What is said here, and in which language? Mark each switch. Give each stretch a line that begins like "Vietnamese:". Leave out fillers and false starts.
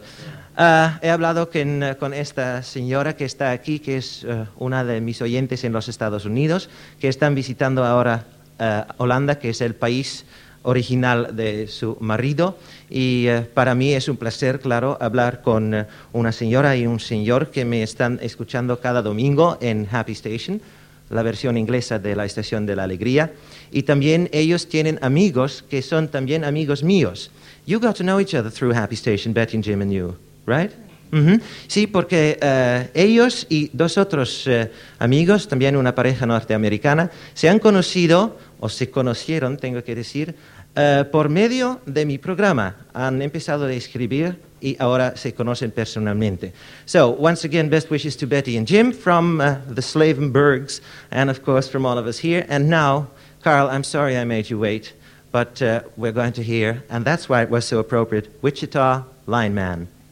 Spanish: He hablado con esta señora que está aquí, que es una de mis oyentes en los Estados Unidos, que están visitando ahora Holanda, que es el país original de su marido. Y para mí es un placer, claro, hablar con una señora y un señor que me están escuchando cada domingo en Happy Station, la versión inglesa de la Estación de la Alegría. Y también ellos tienen amigos que son también amigos míos.
English: You got to know each other through Happy Station, Betty and Jim and you, right? Mm-hmm.
Spanish: Sí, porque ellos y dos otros amigos, también una pareja norteamericana, se han conocido, o se conocieron, tengo que decir, por medio de mi programa. Han empezado a escribir y ahora se conocen personalmente.
English: So, once again, best wishes to Betty and Jim from the Slavenbergs and, of course, from all of us here. And now... Carl, I'm sorry I made you wait, but we're going to hear, and that's why it was so appropriate, Wichita Lineman.